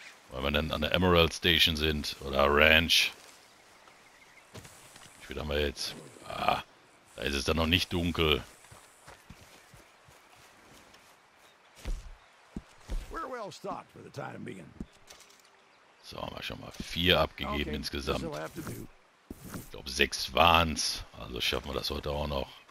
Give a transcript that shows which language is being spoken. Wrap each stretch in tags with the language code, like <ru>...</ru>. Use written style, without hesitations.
<de>Weil wir dann an der Emerald Station sind oder Ranch. Wie spät haben wir jetzt? Ah, da ist es dann noch nicht dunkel.</de> <en>We're well stocked for the time being.</en> <de>So, haben wir schon mal 4 abgegeben, okay, insgesamt. Ich glaube 6 waren's. Also schaffen wir das heute auch noch.</de>